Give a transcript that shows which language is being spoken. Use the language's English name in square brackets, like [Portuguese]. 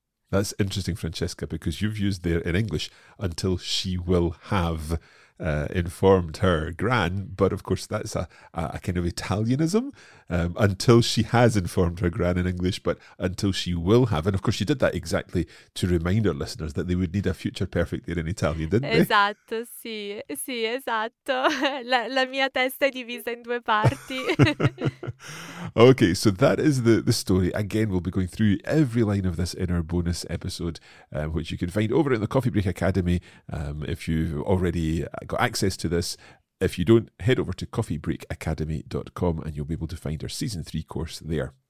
[English] That's interesting, Francesca, because you've used there in English, until she will have informed her gran, but of course that's a kind of Italianism, until she has informed her gran in English, but until she will have. And of course she did that exactly to remind our listeners that they would need a future perfect there in Italian, didn't they? [Italian] Esatto, sì, esatto. La mia testa è divisa in due parti. [English] Okay, so that is the story. Again, we'll be going through every line of this in our bonus episode, which you can find over in the Coffee Break Academy. If you've already got access to this, if you don't, head over to coffeebreakacademy.com and you'll be able to find our Season 3 course there.